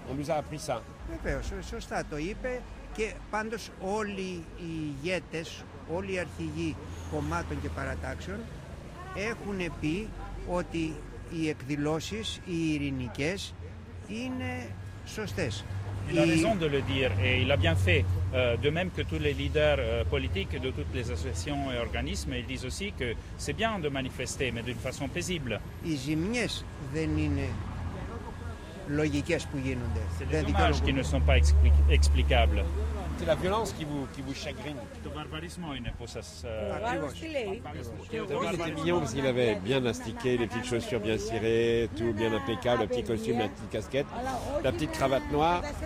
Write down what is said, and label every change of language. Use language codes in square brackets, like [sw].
[fr] On nous a appris ça. [el] Βέβαια, σωστά το είπε. Και πάντως όλοι οι ηγέτες, όλοι οι αρχηγοί κομμάτων και παρατάξεων έχουν πει ότι οι εκδηλώσεις, οι ειρηνικές, είναι σωστές. [fr] Il a raison de le dire et il a bien fait. De même que tous les leaders politiques de toutes les associations et organismes, ils disent aussi que c'est bien de manifester, mais d'une façon paisible. [el] Οι ζημιές δεν είναι λογικές που γίνονται. [fr] C'est des dommages qui ne sont pas explicables. C'est la violence qui vous chagrine. Le barbarisme, il n'est pas ça. Barbarisme. C'était mignon parce qu'il avait bien astiqué, les petites chaussures bien cirées, tout bien impeccable, le petit costume, la petite casquette, la petite cravate noire.